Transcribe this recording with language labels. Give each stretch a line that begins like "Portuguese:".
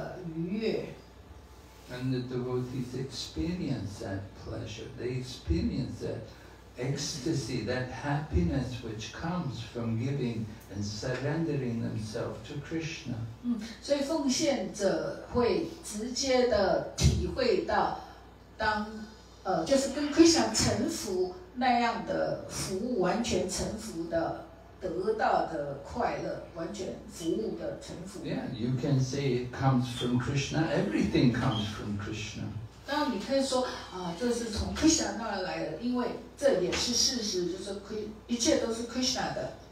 Chinese: 所以这是最大的快乐，最大的愉悦。
English: And the devotees experience that pleasure. They experience that ecstasy, that happiness which comes from giving and surrendering themselves to Krishna.
Chinese: 所以奉献者会直接的体会到，当就是跟 Krishna 臣服那样的服务，完全臣服的。
English: Yeah, you can say it comes from Krishna. Everything comes from Krishna.
Chinese: 那你可以说啊，这是从 Krishna 那儿来的，因为这也是事实，就是一切都是 Krishna 的。